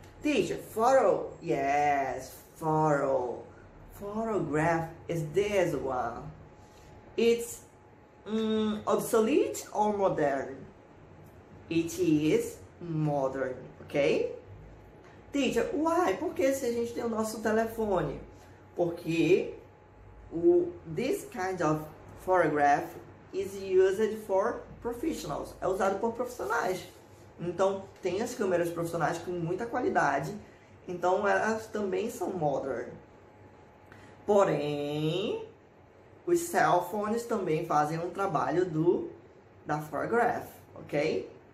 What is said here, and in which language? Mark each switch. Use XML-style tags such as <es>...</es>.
<en>Teacher, photo. Yes, photo. Photograph is this one. It's obsolete or modern? It is modern, ok? Teacher, why?</en> <pt>Por que se a gente tem o nosso telefone?</pt> <en>Porque this kind of photograph is used for professionals.</en> <pt>É usado por profissionais. Então, tem as câmeras profissionais com muita qualidade. Então, elas também são modern. Porém, os cell phones também fazem um trabalho da photograph, ok?</pt>